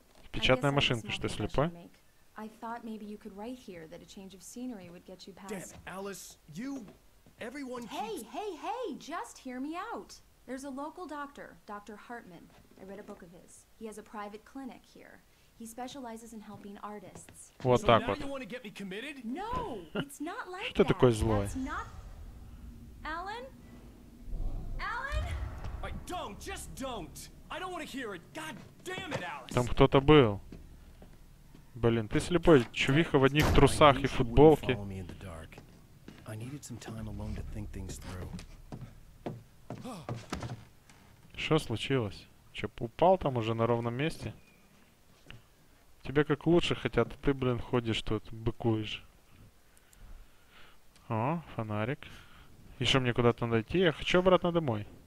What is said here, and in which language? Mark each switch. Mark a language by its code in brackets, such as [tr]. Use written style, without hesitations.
[ru] Печатная машинка, что, слепой? [en] I thought maybe you could write here that a change of scenery would get you past. Damn, Alice, you... Everyone keeps... Hey, just hear me out. There's a local doctor, Dr. Hartman. I read a book of his. He has a private clinic here. He specializes in helping artists. [ru] Вот [en] so [ru] так вот. [en] You want to get me committed? No, it's not like [ru] что [en] that. [ru] Такой злой? [en] That's not... Alan? Alan? I don't, just don't. I don't want to hear it. God damn it, Alice. [ru] Там кто-то был. Блин, ты слепой, чувиха в одних трусах и футболке. [en] I needed some time alone to think things through. [ru] Что случилось? Че, упал там уже на ровном месте? Тебе как лучше, хотя ты, блин, ходишь тут, быкуешь. О, фонарик. И что, мне куда-то надо идти? Я хочу обратно домой.